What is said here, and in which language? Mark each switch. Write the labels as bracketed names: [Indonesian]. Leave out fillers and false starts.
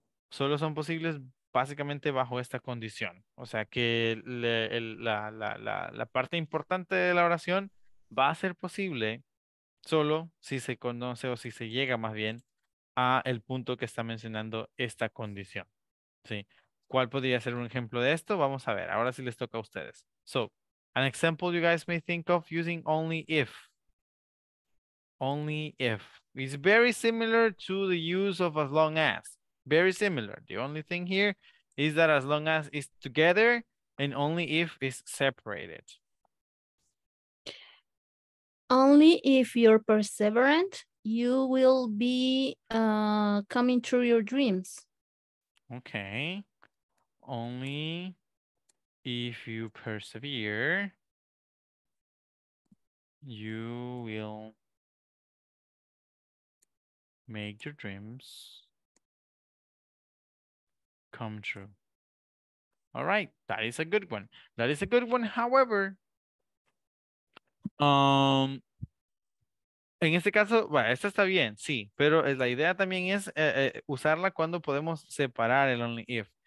[Spanish] Solo son posibles básicamente bajo esta condición. O sea que la parte importante de la oración va a ser posible solo si se conoce o si se llega más bien a el punto que está mencionando esta condición. ¿Sí? ¿Cuál podría ser un ejemplo de esto? Vamos a ver. Ahora sí les toca a ustedes. [English] So, an example you guys may think of using only if. Only if. It's very similar to the use of as long as. Very similar. The only thing here is that as long as is together and only if is separated. Only if you're perseverant, you will be coming through your dreams. Okay. Only if you persevere, you will make your dreams come true. All right. That is a good one. That is a good one. However, [Spanish] en este caso, bueno, esta está bien, sí, pero la idea también es usarla cuando podemos separar el only if.